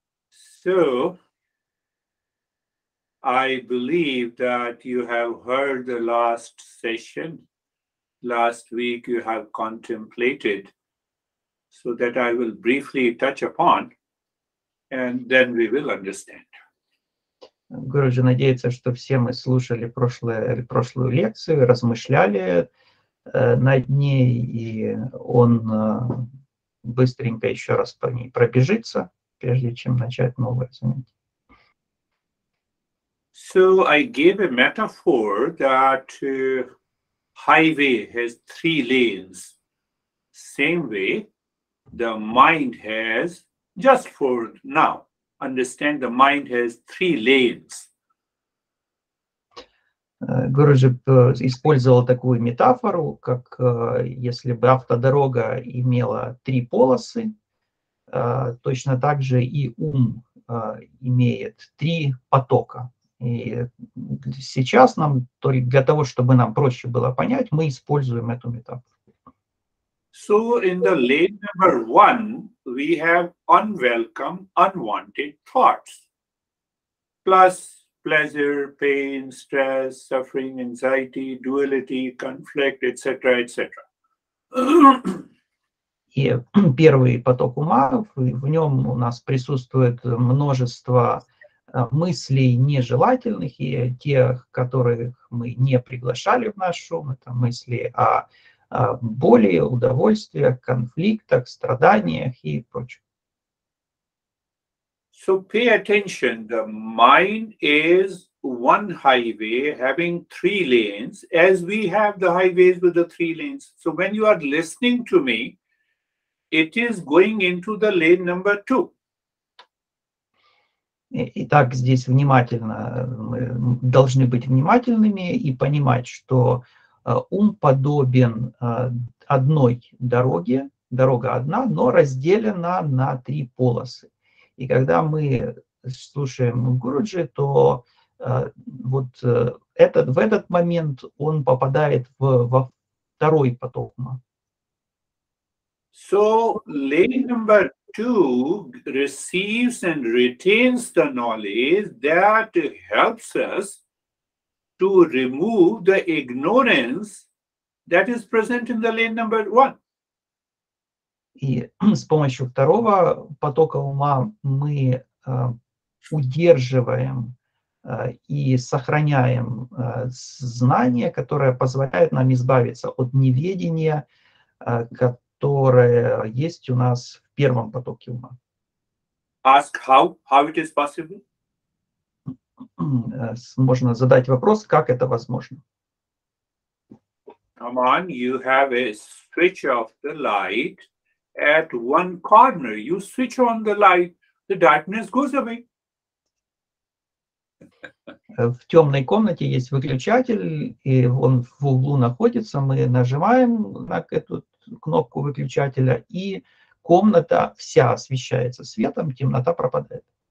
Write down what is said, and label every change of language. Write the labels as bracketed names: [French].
[English] So, I believe that you have heard the last session. Last week you have contemplated, so that I will briefly touch upon, and then we will understand. [Russian] Guruji надеется, что все мы слушали прошлую лекцию, размышляли над ней, и он быстренько еще раз по ней пробежится, прежде чем начать новое занятие. [English] So I gave a metaphor that highway has three lanes. Same way, the mind has, just for now, understand, the mind has three lanes. [Russian] Guruji использовал такую метафору, как если бы автодорога имела три полосы, точно так же и ум имеет три потока. И сейчас нам, только для того, чтобы нам проще было понять, мы используем эту метафору. [English] So in the lane number one, we have unwelcome, unwanted thoughts, plus pleasure, pain, stress, suffering, anxiety, duality, conflict, etc., etc. [Russian] И первый поток ума, в нем у нас присутствует множество мыслей нежелательных, и тех, которых мы не приглашали в наш ум, это мысли о боли, удовольствиях, конфликтах, страданиях и прочем. [English] So pay attention, the mind is one highway having three lanes, as we have the highways with the three lanes. So when you are listening to me, it is going into the lane number two. [Russian] Итак, здесь внимательно, мы должны быть внимательными и понимать, что ум подобен одной дороге, дорога одна, но разделена на три полосы. И когда мы слушаем Guruji, то в этот момент он попадает во второй поток ума. [English] So lane number two receives and retains the knowledge that helps us to remove the ignorance that is present in the lane number one. [Russian] И с помощью второго потока ума мы удерживаем и сохраняем знания, которые позволяют нам избавиться от неведения, которое есть у нас в первом потоке ума. [English] Ask how it is possible? [Russian] Можно задать вопрос, как это возможно? [English] Come on, you have a switch of the light at one corner. You switch on the light, the darkness goes away. [Russian] В темной комнате есть выключатель, и он в углу находится. Мы нажимаем на эту кнопку выключателя, и комната вся освещается светом, темнота пропадает.